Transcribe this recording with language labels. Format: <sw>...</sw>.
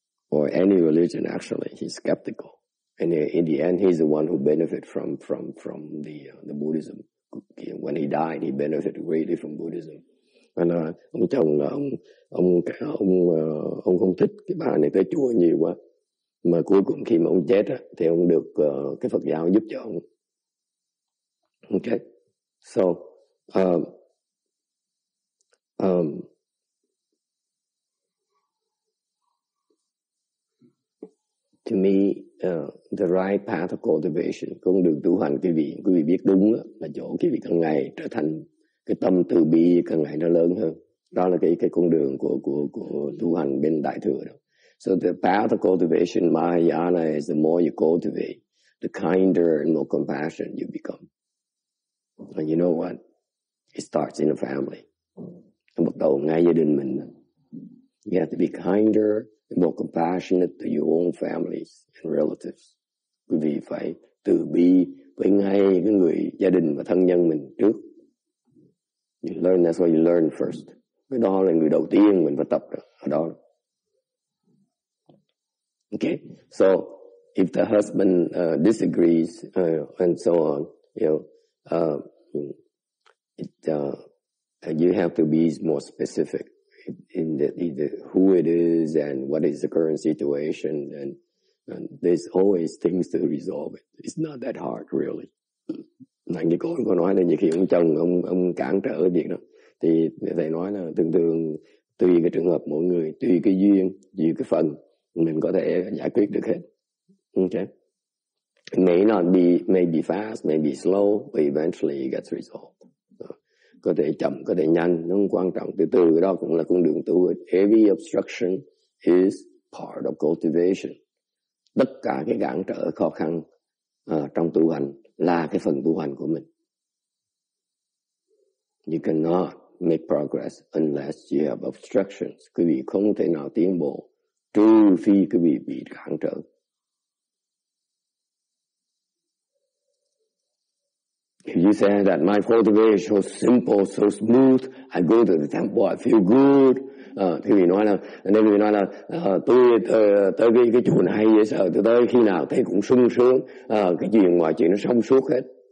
<en>Or any religion, actually. He's skeptical. And in the end, he's the one who benefit from the Buddhism. When he died, he benefited greatly from Buddhism.</en> <vi>And ông chồng là ông không thích cái bà này tới chùa nhiều quá. Mà cuối cùng khi mà ông chết á, thì ông được cái Phật giáo giúp cho ông. Okay.</vi> <en>So, to me, the right path of cultivation,</en> <vi>con đường tu hành, quý vị biết đúng đó, là chỗ quý vị càng ngày trở thành cái tâm từ bi càng ngày nó lớn hơn. Đó là cái con đường của tu hành bên Đại Thừa đó.</vi> <en>So the path of cultivation, Mahayana, is the more you cultivate, the kinder and more compassionate you become. And you know what? It starts in a family.</en> <vi>Bắt đầu ngay gia đình mình.</vi> <en>You have to be kinder, more compassionate to your own families and relatives.</en> <vi>Quý vị phải từ bi với ngay cái người gia đình và thân nhân mình trước.</vi> <en>You learn, that's what you learn first.</en> <vi>Cái đó là người đầu tiên mình phải tập ở đó.</vi> <en>Okay, so if the husband disagrees and so on, you have to be more specific in the who it is and what is the current situation, and there's always things to resolve it. It's not that hard, really.</en> <vi>Này như cô nói là nhiều khi ông chồng ông cản trở việc đó, Thì thầy nói là thường thường tùy cái trường hợp mỗi người, tùy cái duyên, tùy cái phần, mình có thể giải quyết được hết.</vi> <en>Okay. May not be, may be fast, may be slow, but eventually it gets resolved.</en> <vi>Có thể chậm, có thể nhanh, nó không quan trọng. Từ từ đó cũng là con đường tu.</vi> <en>Every obstruction is part of cultivation.</en> <vi>Tất cả cái cản trở khó khăn trong tu hành là cái phần tu hành của mình.</vi> <en>You cannot make progress unless you have obstructions.</en> <vi>Quý vị không thể nào tiến bộ trừ phi quý vị bị cản trở.</vi> <en>If you say that my cultivation is so simple, so smooth, I go to the temple, I feel good.</en> <vi>Thì mình nói là, nên mình nói là, tôi cái chùa này dễ sợ, tôi tới khi nào thấy cũng sung sướng, cái chuyện ngoài chuyện nó xong suốt hết.</vi>